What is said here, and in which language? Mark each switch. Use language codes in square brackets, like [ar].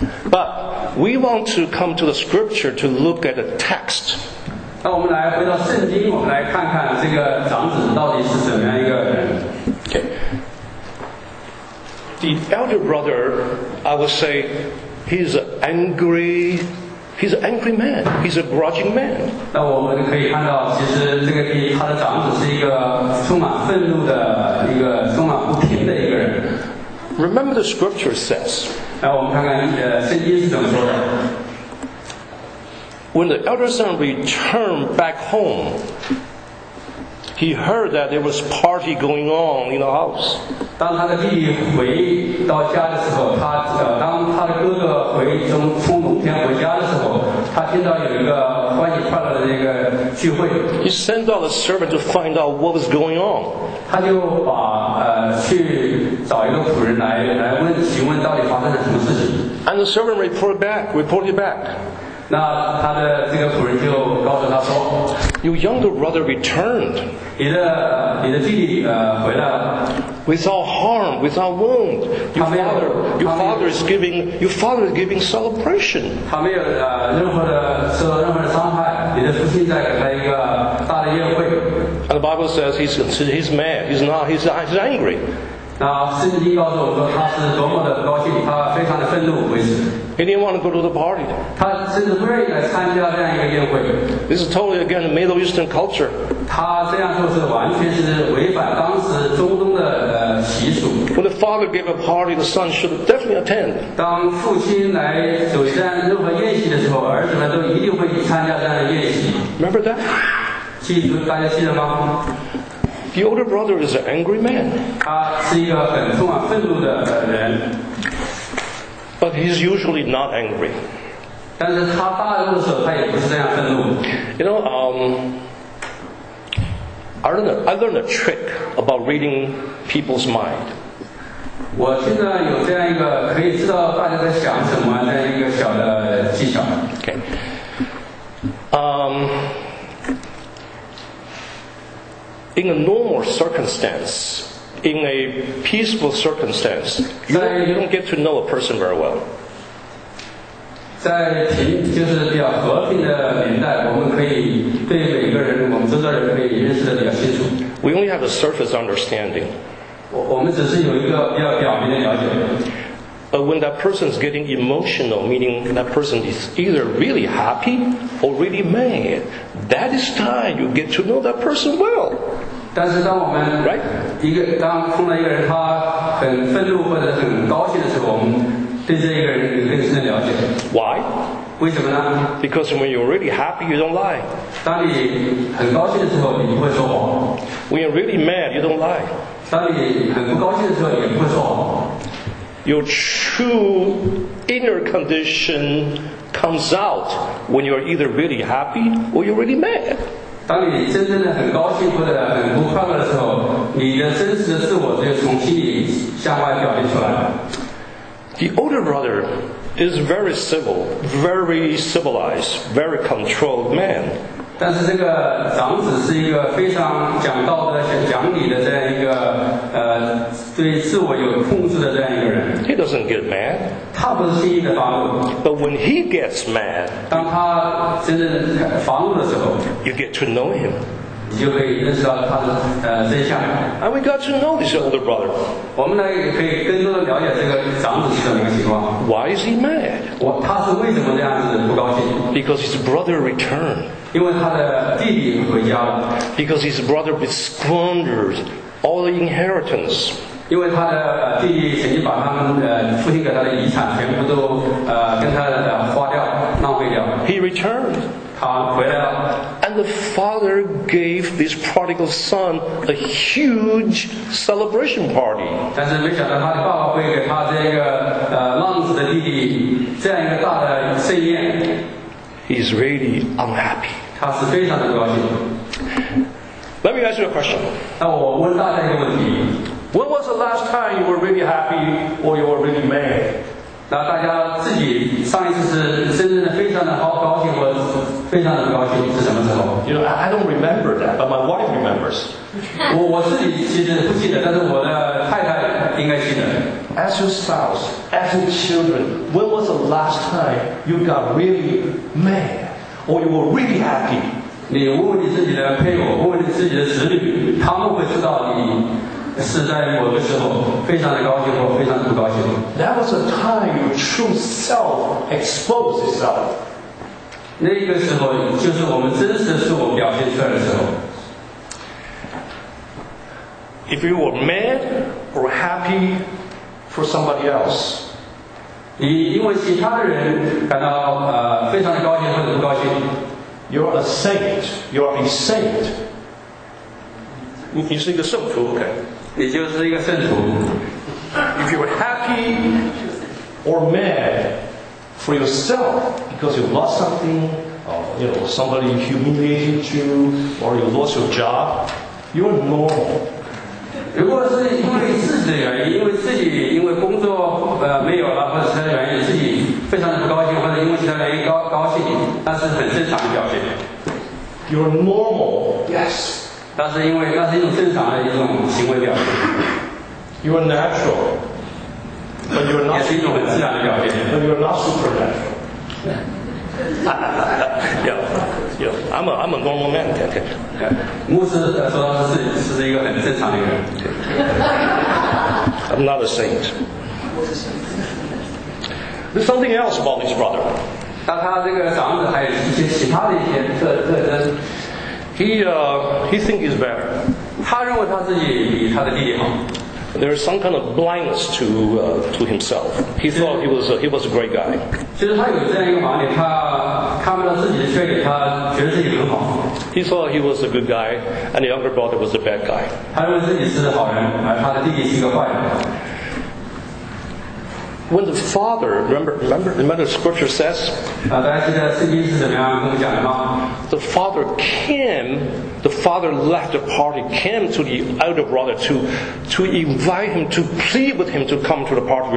[en] But we want to come to the scripture to look at the text. [zh] 那我们来回到圣经，我们来看看这个长子到底是怎么样一个人。 [en] Okay. The elder brother, I would say. He's an angry man. He's a grudging man. [zh] 那我们可以看到，其实这个他的长子是一个充满愤怒的一个充满不平的一个人。 [en] Remember the scripture says. [zh] 那我们看看圣经是怎么说的。 [en] When the elder son returned back home, he heard that there was party going on in the house. [zh] 当他的弟弟回到家的时候，他当他的哥哥回从从农田回家的时候，他听到有一个欢喜快乐的一个聚会。 [en] He sent out a servant to find out what was going on. [zh] 他就把去找一个仆人来问询问到底发生了什么事情。 [en] And the servant reported back. [zh] 那他的这个仆人就告诉他说 [en] ，Your younger brother returned. [zh] 你的弟弟回来了。 [en] Without harm, without wound, your father is giving celebration. [zh] 他没有任何的受到任何的伤害，你的父亲在给他一个大的宴会。 [en] And the Bible says he's mad. He's angry. [zh] 那圣经告诉我们他是多么的高兴，他非常的愤怒为止。 [en] He didn't want to go to the party. [zh] 他甚至不愿意来参加这样一个宴会。 [en] This is totally against Middle Eastern culture. [zh] 他这样做是完全是违反当时中东的习俗。 [en] When the father gave a party, the son should definitely attend. [zh] 当父亲来主持任何宴席的时候，儿子们都一定会去参加这样的宴席。 [en] Remember that? [zh] 记住，大家记得吗？ [en] The older brother is an angry man. [zh] 他是一个很充满愤怒的人。 [en] But he's usually not angry. [zh] 但是他大怒的时候，他也不是这样愤怒。 [en] You know, I learned a trick about reading people's mind. [zh] 我现在有这样一个可以知道大家在想什么这样一个小的技巧。 [en] Okay. In a normal circumstance. In a peaceful circumstance, you don't get to know a person very well. [zh] 在就是比较和平的年代，我们可以对每个人，我们周遭人可以认识的比较清楚。 [en] We only have a surface understanding. [zh] 我们只是有一个比较表面的了解。 [en] But when that person is getting emotional, meaning that person is either really happy or really mad, that is time you get to know that person well. [zh] 但是当我们一个当碰到一个人他很愤怒或者很高兴的时候，我们对这一个人有更深的了解。 [en] Why? [zh] 为什么呢？ [en] Because when you're really happy, you don't lie. [zh] 当你很高兴的时候，你不会说谎。 [en] When you're really mad, you don't lie. [zh] 当你很不高兴的时候，你不会说谎。 [en] Your true inner condition comes out when you're either really happy or you're really mad. [zh] 当你真正的很高兴或者很不快乐的时候，你的真实的自我就从心里向外表现出来。 [en] The older brother is very civil, very civilized, very controlled man. [zh] 但是这个长子是一个非常讲道德、讲理的这样一个对自我有控制的这样一个人。 [en] He doesn't get mad. [zh] 他不是轻易的发怒。 [en] But when he gets mad, [zh] 当他真正发怒的时候 [en] ，you get to know him. [zh] 你就可以认识到他的真相。 [en] And we got to know this older brother. [zh] 我们呢可以更多的了解这个长子是怎么一个情况。 [en] Why is he mad? [zh] 他是为什么这样子不高兴 [en] ？Because his brother returned. [zh] 因为他的弟弟回家了。 [en] Because his brother was squandered. All the inheritance. [zh] 因为他的弟弟曾经把他们父亲给他的遗产全部都跟他花掉，浪费掉。 [en] He returned. [zh] 他回来了。 [en] And the father gave this prodigal son a huge celebration party. [zh] 但是没想到他的爸爸会给他这个浪子的弟弟这样一个大的盛宴。 [en] He's really unhappy. [zh] 他是非常的不高兴。 [en] Let me ask you a question. [zh] 那我问大家一个问题。 [en] When was the last time you were really happy or you were really mad? [zh] 那大家自己上一次是真正的非常的好高兴或非常的不高兴是什么时候？ [en] You know, I don't remember that, but my wife remembers. [zh] 我自己其实不记得，但是我的太太应该记得。 [en] As your spouse, as your children, when was the last time you got really mad or you were really happy? [zh] 你问问你自己的配偶，问问你自己的子女，他们会知道你是在某个时候非常的高兴或非常的不高兴。 [en] That was a time your true self exposed itself. [zh] 那个时候就是我们真实的自我表现出来的时候。 [en] If you were mad or happy for somebody else, [zh] 你因为其他的人感到非常的高兴或者不高兴。 [en] You're a saint. You're a saint. [zh] 你是一个圣徒 [en] ，OK？ [zh] 你就是一个圣徒。 [en] If you're happy or mad for yourself because you lost something, you know, somebody humiliated you, or you lost your job, you're normal. [zh] 如果是因为自己的原因，因为自己因为工作没有了，或者其他原因，自己非常的不高兴，或者因为其他原因高兴。但是很正常的表现。 [en] You're normal, yes. [zh] 但是因为那是一种正常的一种行为表现。 [en] You're natural, but you're not. [zh] 也是一种很自然的表现。 [en] But you're not supernatural. Yeah, yeah. I'm a normal man. Okay. Okay. [zh] 牧师说他是一个很正常的人。 [en] I'm not a saint. There's something else about this brother. [zh] 但他这个长子还有一些其他的一些特征。 [en] He thinks he's better. [zh] 他认为他自己比他的弟弟好。 [en] There is some kind of blindness to himself. He thought he was a great guy. [zh] 其实他有这样一个盲点，他看不到自己的缺点，他觉得自己很好。 [en] He thought he was a good guy, and the younger brother was a bad guy. [zh] 他认为自己是好人，而他的弟弟是一个坏人。 [en] When the father, remember the scripture says, the father left the party, came to the elder brother to invite him, to plead with him to come to the party.